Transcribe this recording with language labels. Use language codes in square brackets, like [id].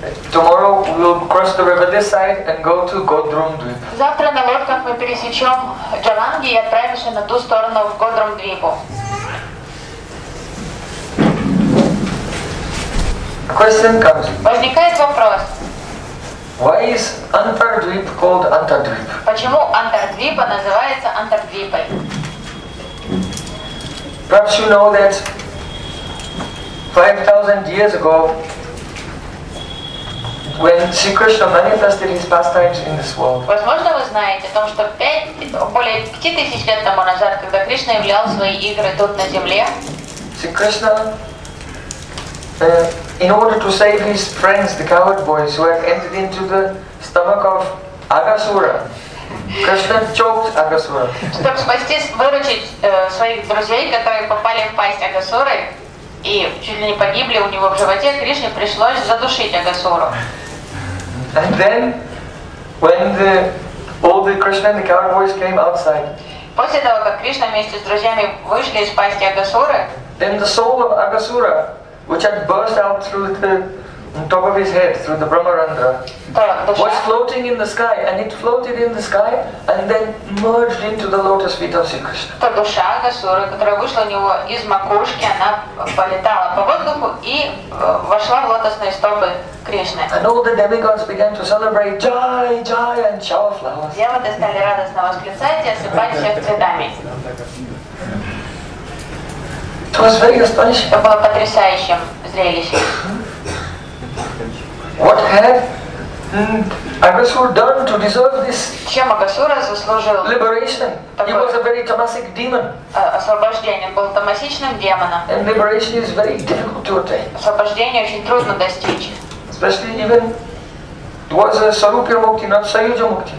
[en] Tomorrow we will cross the river this side and go to Godrumdvip. [ru] Завтра на лодках мы пересечем Джаланги и отправимся на ту сторону в Годрумдвипу. [en] Question comes. [ru] Возникает вопрос. [en] Why is Antardvip called Antardvip? [ru] Почему Антардвипа называется Антардвипой? [en] Perhaps you know that 5,000 years ago, when Sri Krishna manifested his pastimes in this world. [ru] Возможно, вы знаете о том, что более 5000 лет тому назад, когда Кришна являл свои игры тут на земле, [en] Sri Krishna, in order to save his friends, the coward boys who had entered into the stomach of Agasura, Krishna choked Agasura. [ru] Чтобы спасти, выручить своих друзей, которые попали в пасть Агасуры и чуть ли не погибли у него в животе, Кришне пришлось задушить Агасуру. [en] And then, when all the Krishna and the coward boys came outside, [ru] после того, как Кришна вместе с друзьями вышли из пасти Агасуры, [en] then the soul of Агасура, which had burst out through the top of his head, through the Brahmarandra, was floating in the sky, and it floated in the sky, and then merged into the lotus feet of Sri Krishna. [ru] То душа Агасуры, которая вышла у него из макушки, она полетала по воздуху и вошла в лотосные стопы Кришны. [en] And all the demigods began to celebrate, Jai, Jai, and shower flowers. [ru] Демоны стали радостно восклицать и осыпать всех цветами. [en] It was very astonishing. [ru] Это было потрясающим зрелищем. [en] What had Агасура done to deserve this? [ru] Чем Агасура заслужил? [en] Liberation. He was a very tamasic demon. [ru] Освобождение. Был тамасичным демоном. [en] And liberation is very difficult to attain. [ru] Освобождение очень трудно достичь. [en] Especially even was a Sarupya Mukti, not Sayujya Mukti.